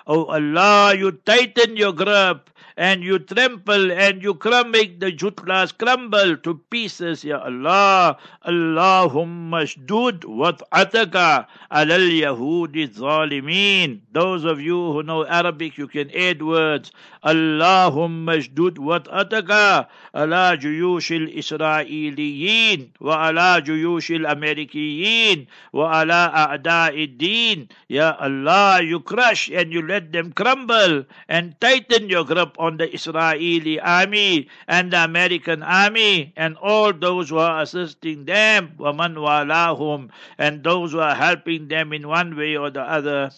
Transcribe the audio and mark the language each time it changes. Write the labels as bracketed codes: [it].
[en] Oh Allah, you tighten your grip and you trample and you make the jutlas crumble to pieces, ya Allah. [ar] Allahumma shdud wat'ataka عَلَى الْيَهُودِ الظَّالِمِينَ. [en] Those of you who know Arabic, you can add words. [ar] Allahumma shdud wat'ataka عَلَى جُيُوشِ الْإِسْرَائِيلِيِينَ وَعَلَى جُيُوشِ الْأَمَرِكِيِينَ وَعَلَى أَعْدَاءِ الدِّينَ. [en] Ya Allah, you crush and you let them crumble and tighten your grip on the Israeli army and the American army and all those who are assisting them, [ar] وَمَنْ وَالَاهُمْ, [en] and those who are helping them in one way or the other.